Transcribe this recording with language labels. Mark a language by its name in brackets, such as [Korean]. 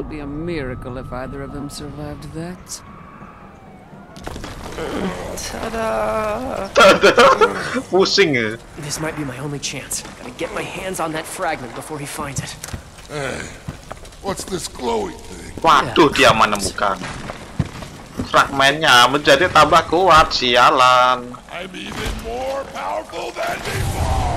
[English] It would be a miracle if either of them survived that. Ta-da! [Indonesian] Ta-da! Pusing. [English] This might be my only chance. Gotta get my hands on that fragment before he finds it. Hey, what's this glowy thing? [Indonesian] Waduh, dia menemukan. Fragmentnya menjadi tambah kuat, sialan. [English] I'm even more powerful than before.